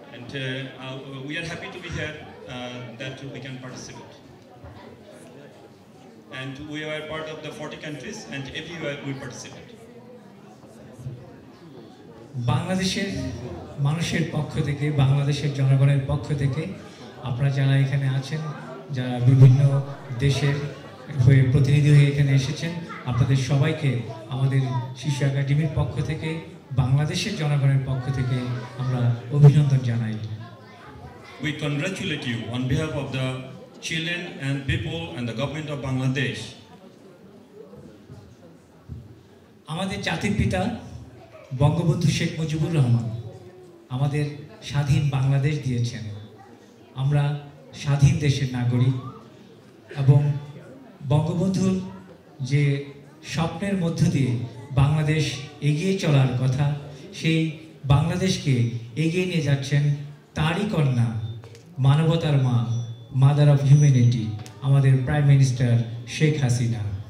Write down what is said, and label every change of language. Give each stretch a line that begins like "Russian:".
English: We are happy to be here that we can participate. And we are part of the 40 countries, and everywhere we participate.
Bangla: বাংলাদেশের মানুষের পক্ষ থেকে বাংলাদেশের জনগণের পক্ষ থেকে আপনারা যারা এখানে আছেন যারা বিভিন্ন দেশের হয়ে প্রতিনিধি হয়ে এখানে এসেছেন আপনাদের সবাইকে আমাদের শিশু একাডেমির পক্ষ থেকে বাংলাদেশের জনগণের পক্ষ থেকে আমরা অভিনন্দন জানাই
English: We congratulate you on behalf of the children and people and the government of Bangladesh.
Bangla: আমাদের জাতির পিতা বঙ্গবন্ধু শেখ মুজিবুর রহমান আমাদের স্বাধীন বাংলাদেশ দিয়েছেন আমরা স্বাধীন দেশের নাগরিক এবং বঙ্গবন্ধুর যে স্বপ্নের মধ্য দিয়ে বাংলাদেশ এগিয়ে চলার কথা সেই বাংলাদেশকে এগিয়ে নিয়ে যাচ্ছেন তারই কন্যা মানবতার মা
English: mother of humanity
Bangla: আমাদের প্রাইম মিনিস্টার শেখ হাসিনা